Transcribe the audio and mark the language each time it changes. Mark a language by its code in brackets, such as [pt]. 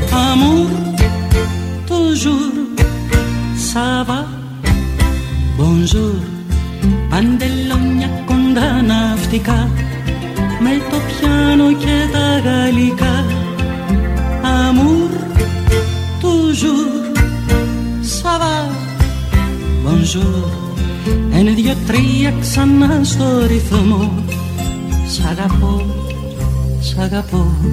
[fr] Amour, toujours, ça va, bonjour. [el] Παντελόνια κοντά ναυτικά, με το πιάνο και τα γαλλικά. [fr] Amour, toujours, ça va, bonjour. [el] Ένα, δυο, τρία, ξανά στο ρυθμό. Σ' αγαπώ, σ' αγαπώ.